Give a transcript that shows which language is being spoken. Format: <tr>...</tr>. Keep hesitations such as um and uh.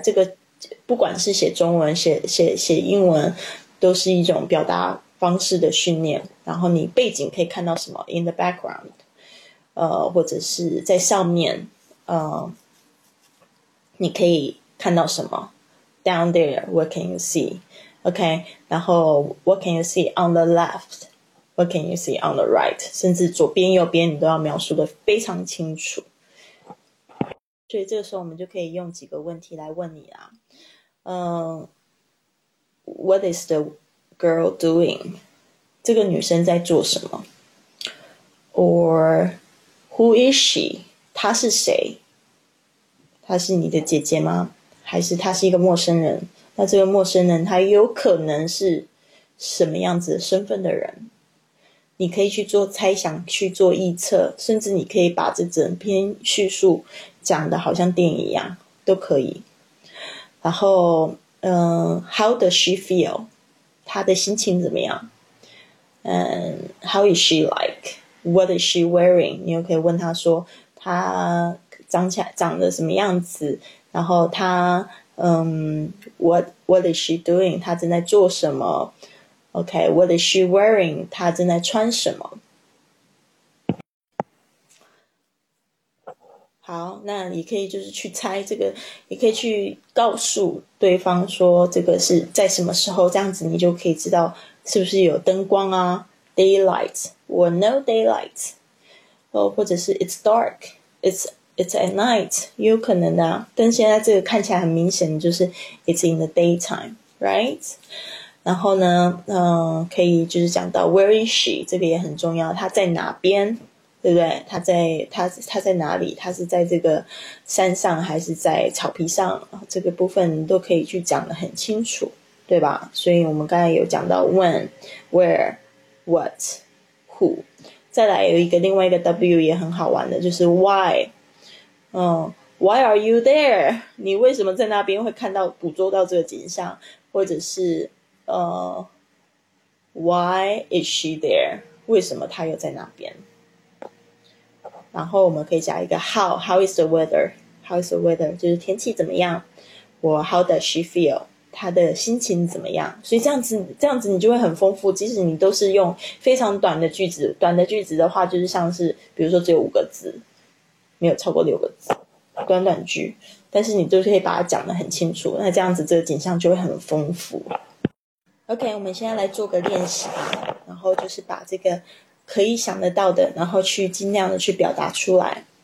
<zh>这个不管是写中文、写写写英文，都是一种表达方式的训练。然后你背景可以看到什么？</zh> <en>In the background。</en> <zh>呃，或者是在上面，呃，你可以看到什么？</zh> <en>Down there, what can you see? OK，</en> <zh>然后</zh> <en>What can you see on the left? What can you see on the right？</en> <zh>甚至左边、右边，你都要描述的非常清楚。所以这个时候，我们就可以用几个问题来问你啊，嗯，</zh> <en>What is the girl doing？</en> <zh>这个女生在做什么？</zh> <en>Or Who is she？</en> <zh>她是谁？她是你的姐姐吗？还是她是一个陌生人？那这个陌生人，她有可能是什么样子身份的人？你可以去做猜想，去做臆测，甚至你可以把这整篇叙述讲的好像电影一样，都可以。然后，</zh> <en>嗯、um,，How does she feel？</en> <zh>她的心情怎么样？嗯，</zh> <en>How is she like？ What is she wearing？</en> <zh>你又可以问他说他长起来长得什么样子？然后他</zh> <en>嗯、um,，What What is she doing？</en> <zh>他正在做什么？OK，</zh> <en>What、okay, is she wearing？</en> <zh>他正在穿什么？好，那你可以就是去猜这个，你可以去告诉对方说这个是在什么时候？这样子你就可以知道是不是有灯光啊，</zh> <en>Daylight。 Day</en> <zh>或</zh> <en>no daylight，哦、oh,，</en> <zh>或者是</zh> <en>it's dark, it's it's at night，</en> <zh>有可能啊。但现在这个看起来很明显，就是</zh> <en>it's in the daytime, right？</en> <zh>然后呢，嗯、呃，可以就是讲到</zh> <en>where is she？</en> <zh>这个也很重要，她在哪边，对不对？她在她她在哪里？她是在这个山上，还是在草皮上？这个部分都可以去讲的很清楚，对吧？所以我们刚才有讲到</zh> <en>when, where, what。</en> <zh>再来有一个另外一个 W 也很好玩的，就是 Why，嗯，</zh> <en>Why are you there？</en> <zh>你为什么在那边会看到捕捉到这个景象，或者是呃，</zh> <en>Why is she there？</en> <zh>为什么她又在那边？然后我们可以加一个</zh> <en>How？How is the weather？How is the weather？</en> <zh>就是天气怎么样？我</zh> <en>How does she feel？</en> <zh>他的心情怎么样？所以这样子，这样子你就会很丰富。即使你都是用非常短的句子，短的句子的话，就是像是比如说只有五个字，没有超过六个字，短短句，但是你都可以把它讲得很清楚。那这样子，这个景象就会很丰富。OK，我们现在来做个练习，然后就是把这个可以想得到的，然后去尽量的去表达出来。</zh>